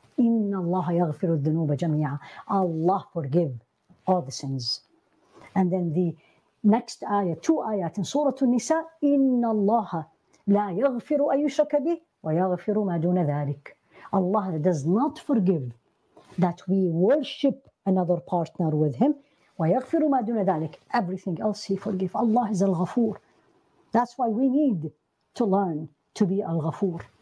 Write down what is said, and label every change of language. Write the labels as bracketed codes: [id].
[ar] إن الله يغفر الذنوب جميعا. [en] Allah forgive all the sins. And then the next ayah, two ayat in Surah النساء. [ar] إن الله لا يغفر أن يشرك به ويغفر ما دون ذلك. [en] Allah does not forgive that we worship another partner with him. [ar] ويغفر ما دون ذلك. [en] Everything else he forgive. Allah is al-ghafoor. That's why we need to learn to be al-ghafoor.